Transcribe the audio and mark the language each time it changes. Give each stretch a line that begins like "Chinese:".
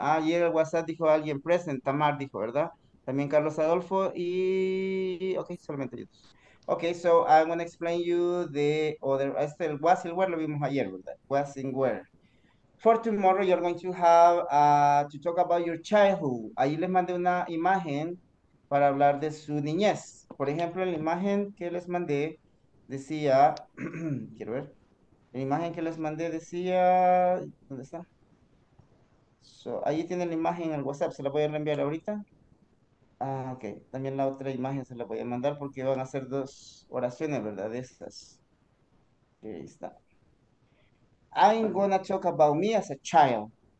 Spanish: Ah, ayer el WhatsApp dijo alguien present, Tamar dijo, ¿verdad? También Carlos Adolfo y... Okay, solamente yo.
English: Okay, so I'm gonna explain you the other...
Spanish: Este, el was y el where lo vimos ayer, ¿verdad?
English: Was and where. For tomorrow, you're going to have to talk about your childhood.
Spanish: Ahí les mandé una imagen para hablar de su niñez. Por ejemplo, en la imagen que les mandé decía, quiero ver, en la imagen que les mandé decía, ¿dónde está? So, ahí tienen la imagen en el WhatsApp, se la voy a reenviar ahorita. Ah, ok, también la otra imagen se la voy a mandar porque van a ser dos oraciones, ¿verdad? De estas. Ahí está.
English: I'm gonna talk about me as a child.